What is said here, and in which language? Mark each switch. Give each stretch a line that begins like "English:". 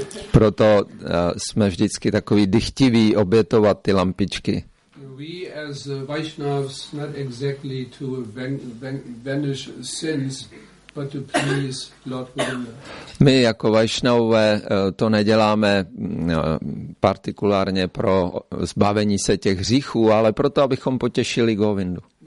Czech: Proto jsme vždycky takový dychtiví obětovat ty lampičky.
English: We as Vaishnavs not exactly to banish sins, but to please Lord Govinda.
Czech: My jako Vaishnavové to neděláme partikulárně pro zbavení se těch hříchů, ale proto, abychom potěšili Govindu.